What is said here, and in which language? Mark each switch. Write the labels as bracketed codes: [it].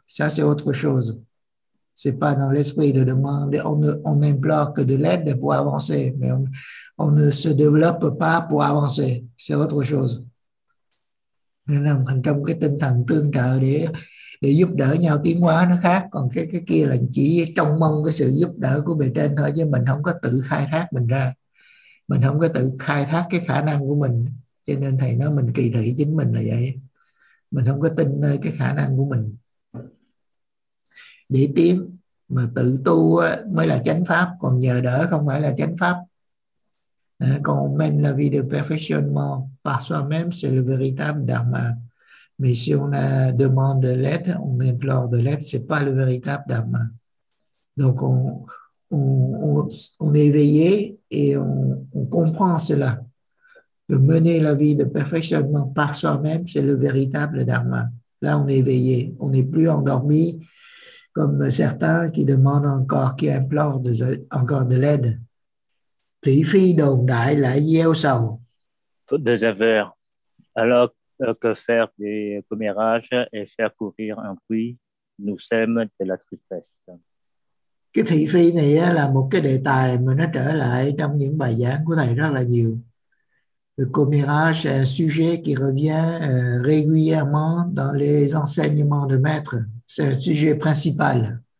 [fr] Ça, c'est autre chose. C'est pas dans l'esprit de demander. On implore que de l'aide pour avancer, mais on ne se développe pas pour avancer. C'est autre chose. [vi] Nên là mình trong cái tinh thần tương trợ để giúp đỡ nhau tiến hóa nó khác. Còn cái kia là chỉ trông mong cái sự giúp đỡ của bề trên thôi, chứ mình không có tự khai thác mình ra. Mình không có tự khai thác cái khả năng của mình. Cho nên thầy nói mình kỳ thị chính mình là vậy. Mình không có tin nơi cái khả năng của mình để tiến, mà tự tu mới là chánh pháp, còn nhờ đỡ không phải là chánh pháp. Còn mình là vì được [fr] perfectionnement par soi-même, c'est le véritable dharma. Mais si on demande de l'aide, on implore de l'aide, c'est pas le véritable dharma. Donc on est éveillé et on comprend cela. De mener la vie de perfectionnement par soi-même, c'est le véritable dharma. Là, on est éveillé. On n'est plus endormi comme certains qui demandent encore, qui implorent encore de l'aide. [vi] Thị phi đồn đại lại gieo sầu. [fr] Des affaires. Alors, que faire des commérages et faire courir un puits nous sème de la tristesse. [vi] Cái thị phi này là một cái đề tài mà nó trở lại trong những bài giảng của thầy rất là nhiều. [fr] Le commérage est un sujet qui revient régulièrement dans les enseignements de maître. C'est un sujet principal.